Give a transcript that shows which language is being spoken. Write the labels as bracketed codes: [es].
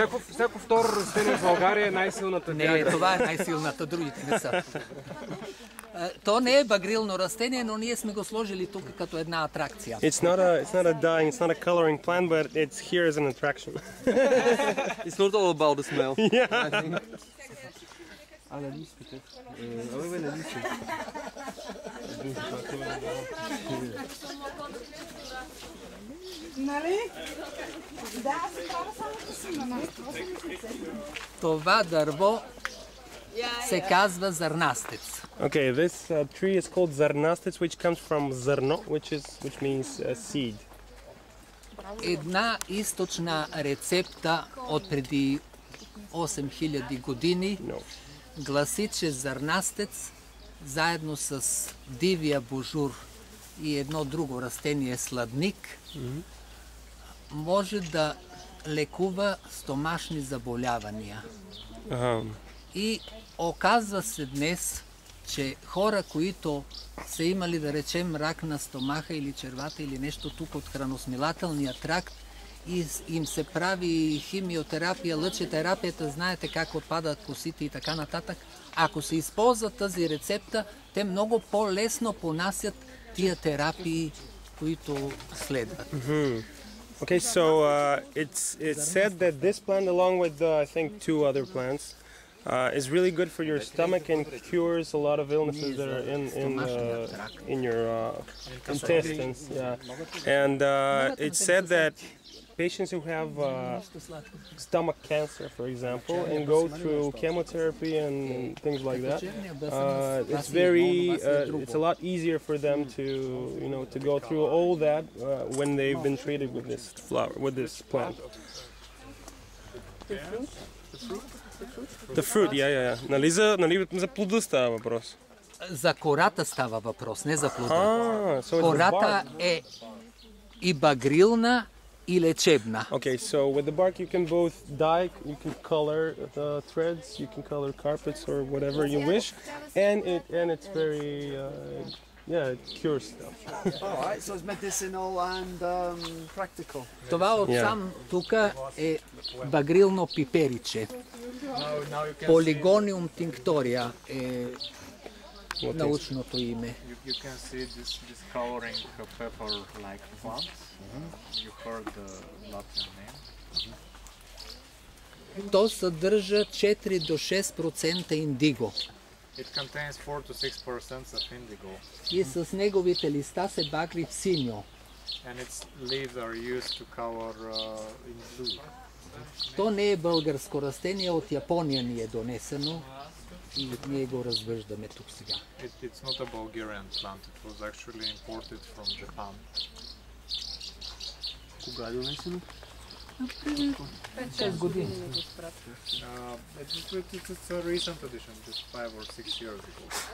[bg] Всяко второ растение в България е най-силната Viagra. Не, това е най-силната, другите не са. То не е багрилно растение, но ние сме го сложили тук като една атракция. [en] It's not a dyeing, it's not a coloring plant, but it's here as an attraction. It's not all about the smell. Yeah. I think. [bg] А, на листите. Абе, на листите. Нали? Да, аз съм права само да си на нас. Това дърво се казва зърнастец. [en] Okay, this tree is called зърнастец, which comes from зърно, which means seed. [bg] Една източна рецепта от преди 8000 години. [en] No. [bg] Гласи, че зърнастец заедно с дивия божур и едно друго растение сладник може да лекува стомашни заболявания. И оказва се днес, че хора, които са имали, да речем, рак на стомаха или червата или нещо тук от храносмилателния тракт, и им се прави химиотерапия, лъчетерапията, знаете как отпадат косите и така нататък. Ако се използва тази рецепта, те много по-лесно понасят тия терапии, които следват. [en] Okay, so it's said that this plant along with I think two other plants is really good for your stomach and cures a lot of illnesses that are in your intestines, yeah. And it's said that patients who have stomach cancer, for example, and go through chemotherapy and things like that, it's very, it's a lot easier for them to, you know, to go through all that when they've been treated with this flower, with this plant. The fruit? The fruit, yeah. [bg] Нали за плодостта въпрос? За кората става въпрос, не за плода. [en] So [bg] кората е и багрилна, и лечебна. [en] Okay, so with the bark you can both dye, you can color the threads, you can color carpets or whatever you wish, and it's very yeah, it cures stuff. All right, so it's medicinal and practical. [bg] Това сам тука е багрилно пипериче. Polygonium tinctoria е научното име. [en] You can see this coloring pepper like plants. Mm-hmm. You heard the Latin name. [bg] Mm-hmm. То съдържа 4 до 6% индиго. [en] It contains 4 to 6% of indigo. [bg] И с неговите листа се багри в синьо. [en] And its leaves are used to cover in blue. [bg] То не е българско растение, от Япония ни е донесено. И ние го развеждаме тук сега. [en] It's not a Bulgarian plant. It was actually imported from Japan. [bg] Кога е донесено? 5-6 години. [en] It's a recent addition, just 5 or 6 years ago.